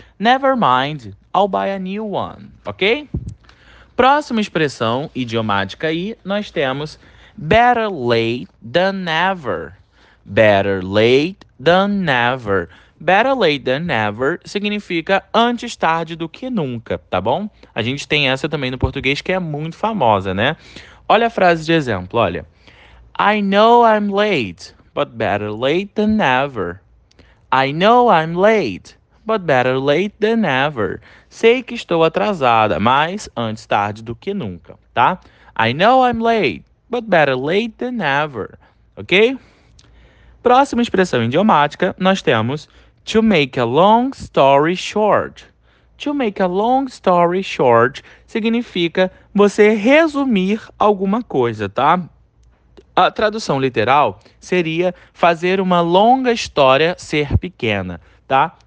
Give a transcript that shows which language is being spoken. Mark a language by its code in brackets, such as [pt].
[en] Never mind, I'll buy a new one, ok? [pt] Próxima expressão idiomática aí, nós temos [en] better late than never. Better late than never. [pt] Better late than never significa antes tarde do que nunca, tá bom? A gente tem essa também no português que é muito famosa, né? Olha a frase de exemplo, olha. [en] I know I'm late, but better late than never. I know I'm late, but better late than never. [pt] Sei que estou atrasada, mas antes tarde do que nunca, tá? [en] I know I'm late, but better late than never. Ok? [pt] Próxima expressão idiomática, nós temos to make a long story short. To make a long story short significa você resumir alguma coisa, tá? A tradução literal seria fazer uma longa história ser pequena, tá?